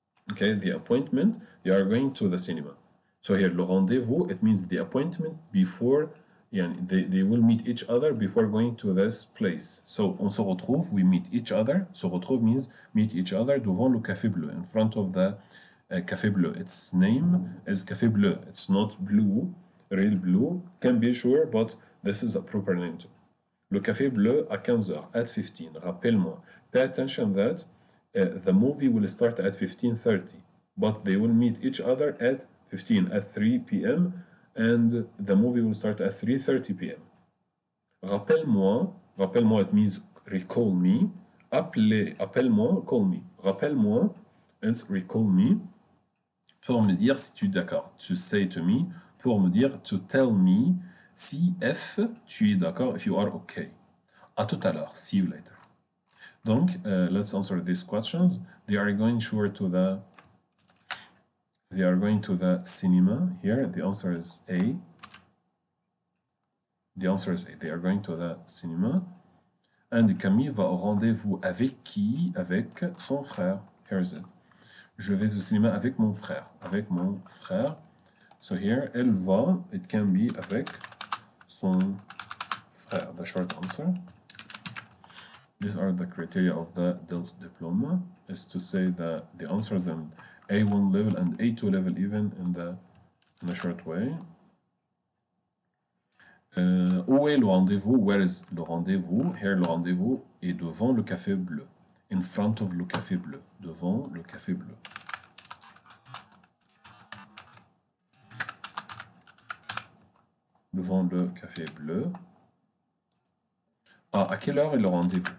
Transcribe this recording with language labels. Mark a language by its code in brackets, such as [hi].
[en] Okay, the appointment, you are going to the cinema. So here, le rendezvous, it means the appointment before, and they will meet each other before going to this place. So, [fr] on se retrouve, [en] we meet each other. [fr] Se retrouve [en] means meet each other [fr] devant le Café Bleu, [en] in front of the Café Bleu. Its name is Café Bleu. It's not blue, real blue, can be sure, but this is a proper name too. [fr] Le Café Bleu à 15h, [en] at 15, [fr] rappelle-moi. [en] Pay attention that the movie will start at 15:30, but they will meet each other at 15 at 3 p.m. and the movie will start at 3:30 p.m. [fr] Rappelle-moi, [en] it means recall me. [fr] Appelle-moi, [en] call me. Rappelle-moi, recall me [fr] pour me dire si tu es d'accord. [en] To say to me [fr] pour me dire [en] to tell me [fr] si F tu es d'accord, [en] if you are okay. [fr] À tout à l'heure. [en] See you later. Donc, let's answer these questions. They are going to the cinema here. The answer is A. The answer is A. They are going to the cinema. And [fr] Camille va au rendez-vous avec qui? Avec son frère. [en] Here is it. [fr] Je vais au cinéma avec mon frère. Avec mon frère. [en] So here, [fr] elle va, [en] it can be [fr] avec son frère. [en] The short answer. These are the criteria of the DELTS diploma. Is to say that the answers in A1 level and A2 level even in a short way. [fr] Où est le rendez-vous? [en] Where is [fr] le rendez-vous? Here, le rendez-vous est devant le café bleu. [en] In front of [fr] le café bleu. Devant le café bleu. Devant le café bleu. Ah, à quelle heure est le rendez-vous?